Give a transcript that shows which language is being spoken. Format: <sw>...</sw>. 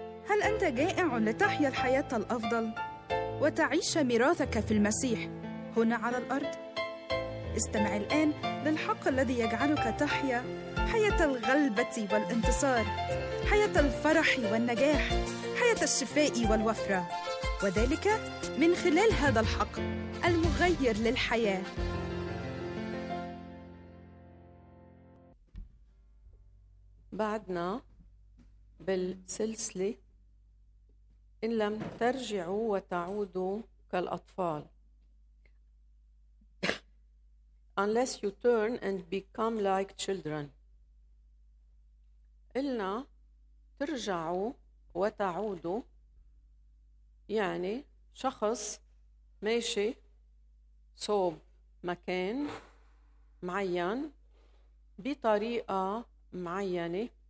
<ar>هل أنت جائع لتحيا الحياة الأفضل وتعيش ميراثك في المسيح هنا على الأرض؟ استمع الآن للحق الذي يجعلك تحيا حياة الغلبة والانتصار، حياة الفرح والنجاح، حياة الشفاء والوفرة، وذلك من خلال هذا الحق المغير للحياة. بعدنا بالسلسلة إن لم ترجعوا وتعودوا كالأطفال.</ar> <en>Unless you turn and become like children.</en> <ar>قلنا ترجعوا وتعودوا يعني شخص ماشي صوب مكان معين بطريقة معينة.</ar>